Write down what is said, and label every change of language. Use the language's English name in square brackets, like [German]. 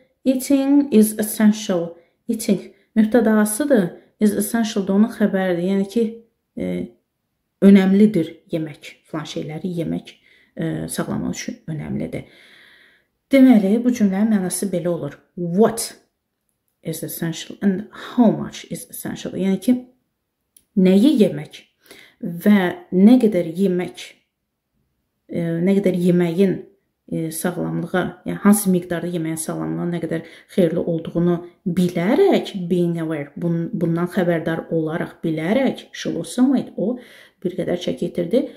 [English] Eating is essential. Eating [Azerbaijani] mübtədasıdır, [English] is essential [Azerbaijani] da onun xəbəridir. Yəni ki, önəmlidir yemək, filan şeyləri yemək sağlamaq üçün önəmlidir. Deməli, bu cümlənin mənası belə olur. [English] What is essential and how much is essential? [Azerbaijani] Yəni ki, nəyi yemək və nə qədər yemək, nə qədər yeməyin sağlamlığa, yəni hansı miqdarda yeməyin sağlamlığa nə qədər xeyirli olduğunu bilərək, [English] being aware, [Azerbaijani] bundan xəbərdar olaraq bilərək, [English] she lost some weight, [Azerbaijani] o bir qədər çək itirdi.